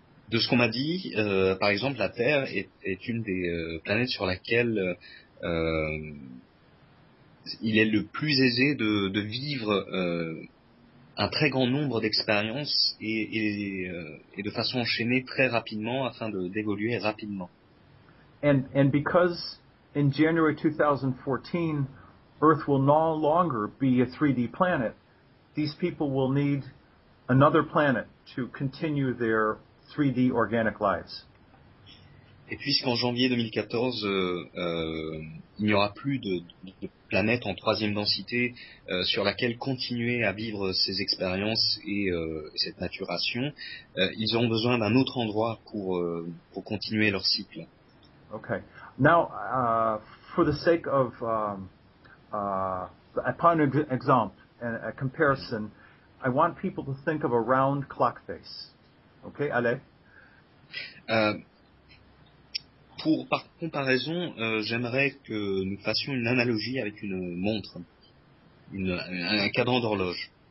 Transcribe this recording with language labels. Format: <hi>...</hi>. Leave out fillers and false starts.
<fr>De ce qu'on m'a dit, par exemple, la Terre est une des planètes sur laquelle il est le plus aisé de vivre un très grand nombre d'expériences et de façon enchaînée très rapidement afin d'évoluer rapidement.</fr> <en>And because in January 2014, Earth will no longer be a 3D planet, these people will need another planet to continue their 3D organic lives.</en> <fr>Et puisqu'en janvier 2014, il n'y aura plus de planète en troisième densité sur laquelle continuer à vivre ces expériences et cette maturation, ils auront besoin d'un autre endroit pour continuer leur cycle.</fr> <en>Okay. Now, for the sake of, upon an example, and a comparison, I want people to think of a round clock face.</en> <fr>Okay, allez. Par comparaison, j'aimerais que nous fassions une analogie avec une montre, un cadran d'horloge.</fr>